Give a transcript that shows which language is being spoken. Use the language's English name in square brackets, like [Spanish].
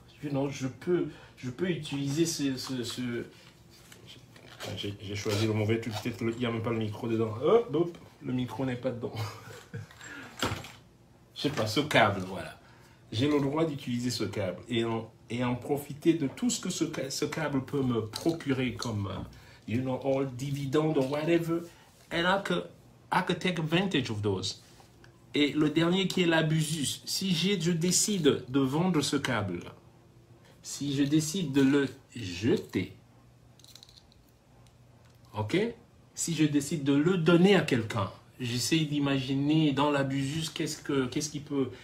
[French] Je peux utiliser ce J'ai choisi le mauvais truc, peut-être qu'il n'y a même pas le micro dedans. Hop, hop, le micro n'est pas dedans. Je sais pas, ce câble, voilà. J'ai le droit d'utiliser ce câble et en profiter de tout ce que ce câble peut me procurer comme, [English] you know, all dividend or whatever. And I could take advantage of those. [French] Et le dernier qui est l'abusus, si je décide de vendre ce câble, si je décide de le jeter, ok? Si je décide de le donner à quelqu'un, j'essaie d'imaginer dans l'abusus qu'est-ce qui peut.